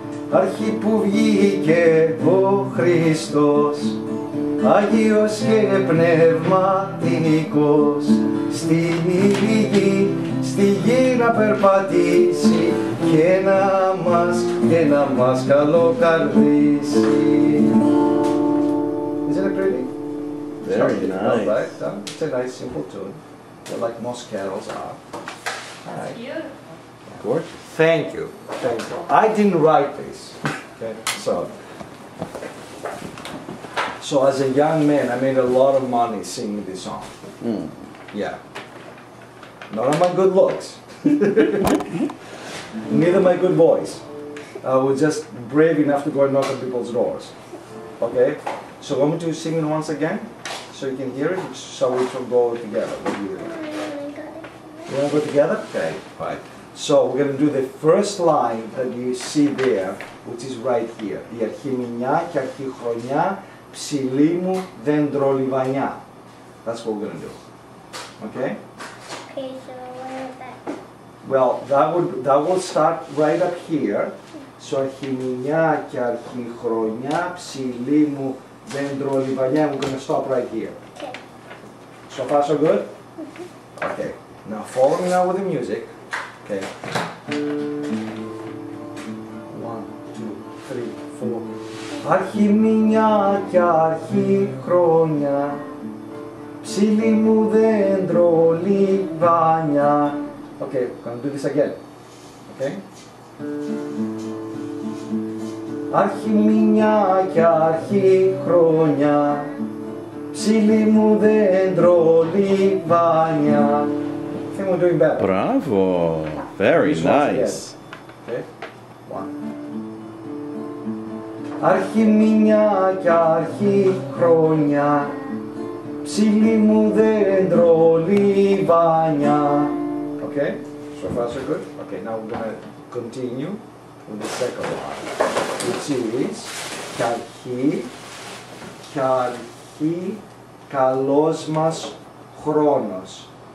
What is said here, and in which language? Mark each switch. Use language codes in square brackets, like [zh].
[el] Αρχή που βγήκε ο Χριστός, Άγιος και Πνευματικός, στην υγιή, στη γη να περπατήσει και να μας καλοκαρδίσει. [en] Isn't it pretty? Very nice. Right, it's a nice simple tune, but like most carols are. Right. It's beautiful. Gorgeous. Thank you. Thank you. I didn't write this. Okay. So as a young man, I made a lot of money singing this song. Mm. Yeah. Not on my good looks, neither my good voice. I was just brave enough to go and knock on people's doors. Okay? So want me to sing it once again? So you can hear it? Shall we go together? What do you think? You want to go together? Okay, fine. So we're going to do the first line that you see there, which is right here. [el] Η αρχή μηνιά και αρχή χρονιά, ψηλή μου δέντρο λιβανιά. [en] That's what we're going to do. Okay? Okay, so what is that? Well, that will start right up here. [el] So αρχή μηνιά και αρχή χρονιά, ψηλή μου δέντρο λιβανιά. [en] I'm going to stop right here. Okay. So far, so good? Mm-hmm. Okay. Now follow me now with the music. Okay. One, two, three, four. [el] Αρχή μηνιά και αρχή χρονιά, ψηλή μου δέντρο λιβάνια. [en] Okay, we're gonna do this again. Okay. [el] Αρχή μηνιά και αρχή χρόνια, ψηλή μου δέντρο λιβάνια. [en] I think we're doing better. Bravo! Very this nice. Okay. One. [el] Αρχή μηνιά και αρχή χρόνια, ψηλή μου δέντρο λιβάνια. [en] Okay, so far so good. Okay, now we're gonna continue with the second one, which is [el] κι αρχή καλός μας χρόνος.